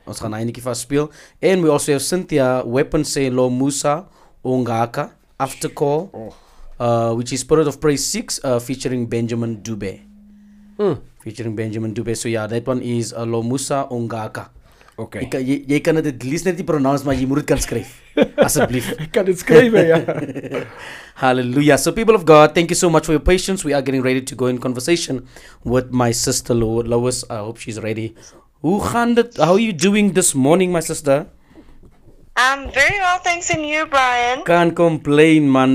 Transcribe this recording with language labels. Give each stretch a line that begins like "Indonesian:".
English: And we also have Cynthia Weapon say Lo Musa Ongaka after call, which is Spirit of Praise 6, featuring Benjamin Dube. Featuring Benjamin Dube. So, yeah, that one is Lo Musa Ongaka. Okay.
Afrikaans: Jy kan dit
English: at least
Afrikaans: net nie pronounce, maar jy moet dit kan skryf. Asseblief. Ek kan dit skryf, ja.
English: Hallelujah. So people of God, thank you so much for your patience. We are getting ready to go in conversation with my sister Lois. I hope she's ready. How are you doing this morning, my sister? I'm very well, thanks, and you, Brian? Can't complain, man.